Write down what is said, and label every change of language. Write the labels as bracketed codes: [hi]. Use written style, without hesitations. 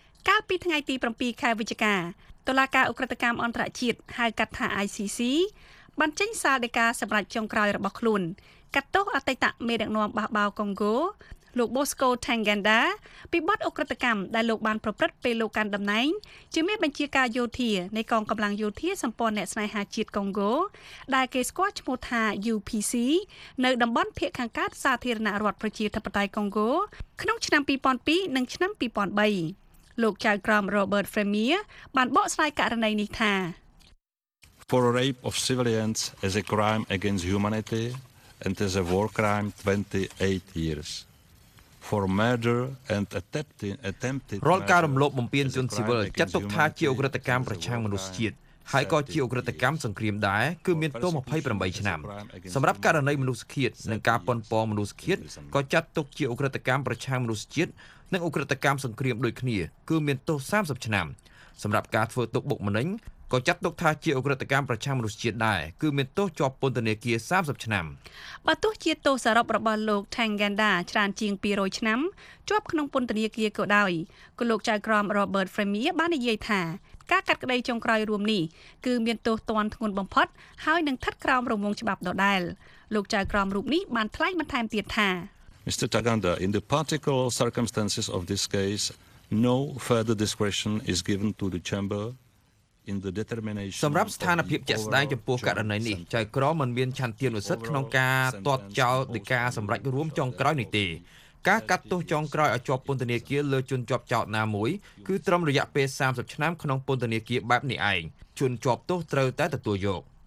[km] កាលពីថ្ងៃទី7ខែវិច្ឆិកាតុលាការអូក្រិដ្ឋកម្មអន្តរជាតិហៅកាត់ថា ICC បានចេញសាលដីកាសម្រាប់ចុងក្រោយរបស់ខ្លួនកាត់ទោសអតីតមេដឹកនាំបះបោកុងហ្គោលោក Bosco Ntaganda ពីបទអូក្រិដ្ឋកម្មដែលលោកបានប្រព្រឹត្តពេលលោកកាន់តំណែងជាមេបញ្ជាការយោធានៃកងកម្លាំងយោធាសម្ព័ន្ធអ្នកស្នេហាជាតិកុងហ្គោដែលគេស្គាល់ឈ្មោះថា UPC នៅតំបន់ភាគខាងកើតសាធារណរដ្ឋប្រជាធិបតេយ្យកុងហ្គោក្នុងឆ្នាំ2002និងឆ្នាំ2003លោកចៅក្រម Robert Fremier បានបកស្រាយករណីនេះថា [en] For rape of civilians as a crime against humanity and as a war crime 28 years for murder and attempted [km] រាល់ការរំលោភបំពានជនស៊ីវិលចាត់ទុកថាជាឧក្រិដ្ឋកម្មប្រឆាំងមនុស្សជាតិហើយក៏ជាឧក្រិដ្ឋកម្មសង្គ្រាមដែរគឺមានទោស28ឆ្នាំសម្រាប់ករណីមនុស្សឃាតនិងការប៉ុនប៉ងមនុស្សឃាតក៏ចាត់ទុកជាឧក្រិដ្ឋកម្មប្រឆាំងមនុស្សជាតិនិងឧក្រិដ្ឋកម្មសង្គ្រាមដូចគ្នាគឺមានទោស30ឆ្នាំសម្រាប់ការធ្វើទុកបុកម្នេញក៏ចាត់ទុកថាជាឧក្រិដ្ឋកម្មប្រឆាំងមនុស្សជាតិដែរគឺមានទោសជាប់ពន្ធនាគារ30ឆ្នាំ បើទោះជាទោសសរុបរបស់លោក Ntaganda ច្រើនជាង200ឆ្នាំជាប់ក្នុងពន្ធនាគារក៏ដោយក៏លោកចៅក្រម Robert Fremier បាននិយាយថាការកាត់ក្តីចុងក្រោយរួមនេះគឺមានទោសទណ្ឌធ្ងន់បំផុតហើយនឹងស្ថិតក្រោមរង្វង់ច្បាប់ដដែលលោកចៅក្រមរូបនេះបានថ្លែងបន្ថែមទៀតថា [en] Mr. Ntaganda, in the particular circumstances of this case, no further discretion is given to the chamber. In the determination [km] សម្រាប់ស្ថានភាពជាក់ស្ដែងចំពោះករណីនេះចៅក្រមមិនមានឆន្ទានុសិទ្ធិក្នុងការទាត់ចោលដីកាសម្រាប់រួមចុងក្រោយនេះទេការកាត់ទោសចុងក្រោយឲ្យជាប់ពន្ធនាគារលើជនជាប់ចោតណាមួយគឺត្រឹមរយៈពេល30ឆ្នាំក្នុងពន្ធនាគារបែបនេះឯងជនជាប់ទោសត្រូវតែទទួលយក